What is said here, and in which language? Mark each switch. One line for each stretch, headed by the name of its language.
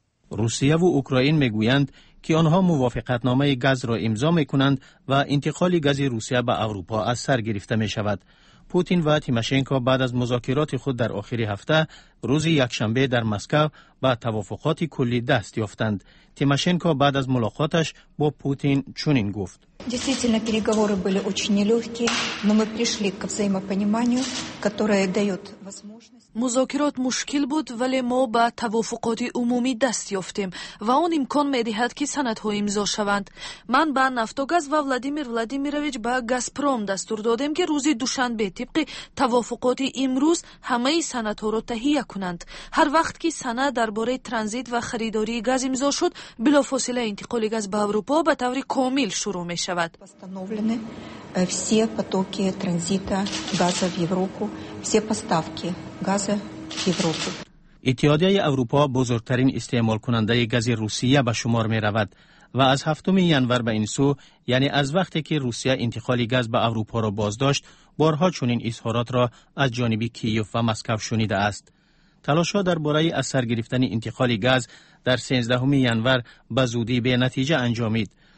Persian: روسیه و اوکراین میگویند که آنها موافقتنامه گاز را امضا میکنند و انتقال گاز روسیه به اروپا از سر گرفته میشود. پوتین و تیموشنکو بعد از مذاکرات خود در آخری هفته روز یکشنبه در مسکو به توافقات کلی دست یافتند. تیموشنکو بعد از ملاقاتش با پوتین چنین گفت:
Russian: действительно переговоры были очень нелёгкие, но мы пришли к взаимопониманию, которое даёт возможность.
Persian: مذاکرات مشکل بود ولی ما به توافقات عمومی دست یافتیم و آن امکان می‌دهد که سندها امضا شوند. من به نفتوگاز و ولادیمیر ولادیمیروویچ به گازپروم دستور دادم که روز دوشنبه طبق توافقات امروز همه سندها را تهیه کنند. هر وقت که سند درباره ترانزیت و خریداری گاز امضا شد، بلافاصله انتقال گاز به اروپا به طور کامل شروع می شود.
Russian: Все потоки транзита газа в Европу, все поставки газа в Европу.
Persian: اتحادیه اروپا بزرگترین استعمال کننده گاز روسیه به شمار می رود و از 7 ژانویه به این سو، یعنی از وقتی که روسیه انتقال گاز به اروپا را بازداشت، بارها چنین اظهارات را از جانب کیف و مسکو شنیده است. تلاش ها در باره از سر گرفتن انتقال گاز در 13 ژانویه به زودی به نتیجه انجامید.